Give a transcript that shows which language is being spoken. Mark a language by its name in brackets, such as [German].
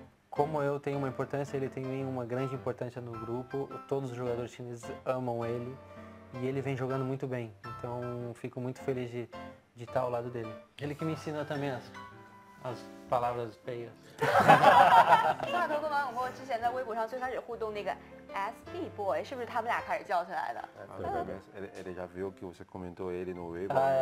[Portuguese] como eu tenho uma importância, ele tem uma grande importância no grupo. Todos os jogadores chineses amam ele e ele vem jogando muito bem. Então fico muito feliz de estar ao lado dele. Ele que me ensina também as palavras feias. [Chinese] 帕托跟王永珀之前在微博上最开始互动那个 SB Boy 是不是他们俩开始叫起来的？对对对， [Portuguese] ele já viu que você comentou ele no Weibo.